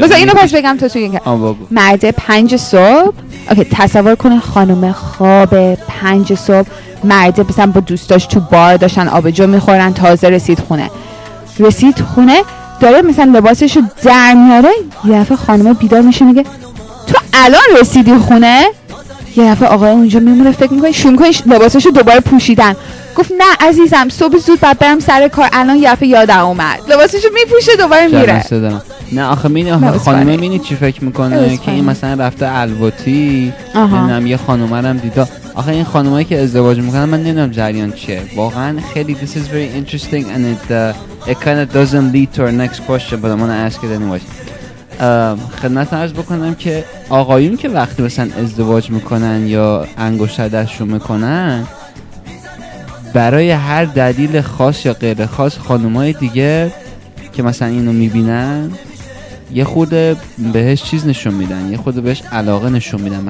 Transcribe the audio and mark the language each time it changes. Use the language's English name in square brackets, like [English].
[Persian] مثلا اینو پس بگم تو یکی که مرده 5 صبح اوکی، تصور کنه خانم خواب 5 صبح، مرده مثلا با دوستاش تو بار داشتن آبجو میخورن، تازه رسید خونه، رسید خونه داره مثلا لباسشو در میاره، یه دفعه خانم بیدار میشه میگه تو الان رسیدی خونه؟ یه دفعه آقای اونجا میمونه فکر میکنه شون کنی لباسشو دوباره پوشیدن، گفت نه عزیزم صبح زود باید برم سر کار، الان یه دفعه یادم اومد لباسشو میپوشه دوباره میره. نه آخه مینی خانمه مینی چی فکر میکنه که این مثلا رفته الوتی نمیدونم یه خانومه رو دیدا. آخه این خانومه که ازدواج میکنه من نمیدونم جریان چیه واقعا. خیلی [English] this is very interesting and it kind of doesn't lead to our next question but I'm gonna ask it anyway. [Persian] خدمت عرض بکنم که آقایون که وقتی مثلا ازدواج میکنن یا انگشتر دستشون میکنن، برای هر دلیل خاص یا غیر خاص خانومای دیگه که مثلا اینو میبینن یه خورده بهش چیز نشون میدن، یه خورده بهش علاقه نشون میدن.